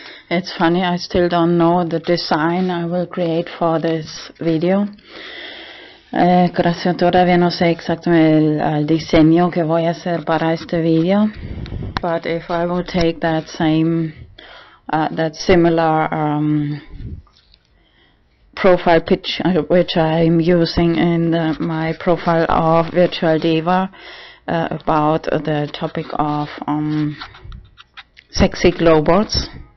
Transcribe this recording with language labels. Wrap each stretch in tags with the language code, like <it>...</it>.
<en>It's funny, I still don't know the design I will create for this video.</en> <es>Gracias, todavía no sé exactamente el diseño que voy a hacer para este video.</es> <en>But if I will take that same, that similar profile picture which I'm using in my profile of Virtual Diva about the topic of sexy globots.</en>